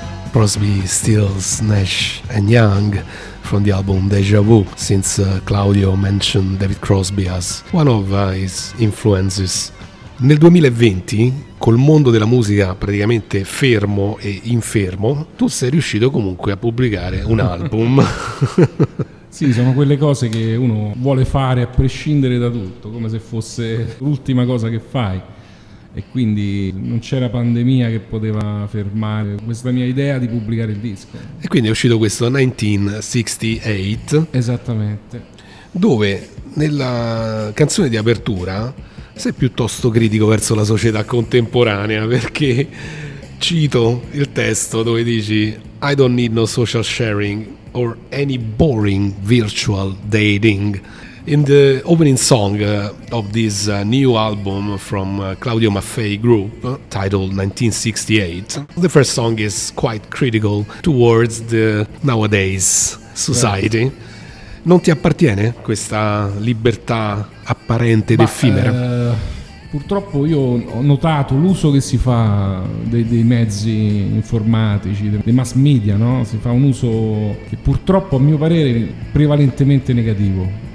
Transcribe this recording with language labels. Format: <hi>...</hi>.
<en>Crosby, Stills, Nash and Young from the album Deja Vu, since Claudio mentioned David Crosby as one of his influences.</en> <it>Nel 2020, col mondo della musica praticamente fermo e infermo, tu sei riuscito comunque a pubblicare un album. Sì, sono quelle cose che uno vuole fare a prescindere da tutto, come se fosse l'ultima cosa che fai. E quindi non c'era pandemia che poteva fermare questa mia idea di pubblicare il disco. E quindi è uscito questo 1968. Esattamente. Dove nella canzone di apertura sei piuttosto critico verso la società contemporanea, perché cito il testo dove dici:</it> <en>I don't need no social sharing or any boring virtual dating. In the opening song of this new album from Claudio Maffei Group, titled 1968, the first song is quite critical towards the nowadays society. Yeah.</en> <it>Non ti appartiene questa libertà apparente ed effimera? Purtroppo io ho notato l'uso che si fa dei mezzi informatici, dei mass media, no? Si fa un uso che purtroppo a mio parere è prevalentemente negativo.</it>